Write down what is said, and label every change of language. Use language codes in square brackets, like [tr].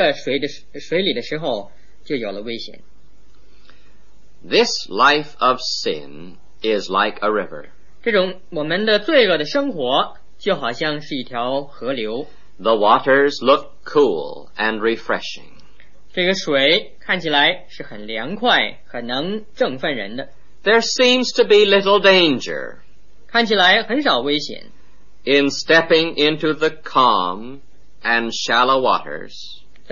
[zh] 他诱惑那个不太会游泳的人进入比较深的,流得急的水里的时候, 就有了危险。 [en] This life of sin is like a river. [zh] 这种我们的罪恶的生活就好像是一条河流。 [en] The waters look cool and refreshing. [zh] 这个水看起来是很凉快,很能振奋人的。 [en] There seems to be little danger. [zh] 看起来很少危险。 [en] In stepping into the calm and shallow waters.